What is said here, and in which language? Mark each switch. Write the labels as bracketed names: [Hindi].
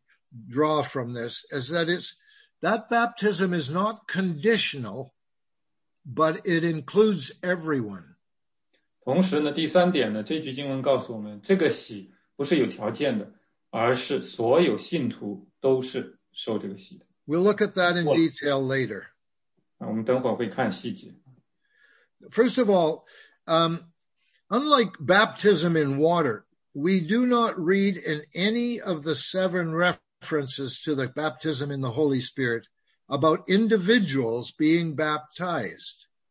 [English] That baptism is not conditional, but it includes everyone. [Chinese] 同时呢，第三点呢，这句经文告诉我们，这个洗不是有条件的，而是所有信徒都是受这个洗的。 [English] We'll look at that in detail later. [Chinese] 我们等会儿会看细节。 [English] First of all, unlike baptism in water, we do not read in any of the seven references to the baptism in the Holy Spirit about individuals being baptized.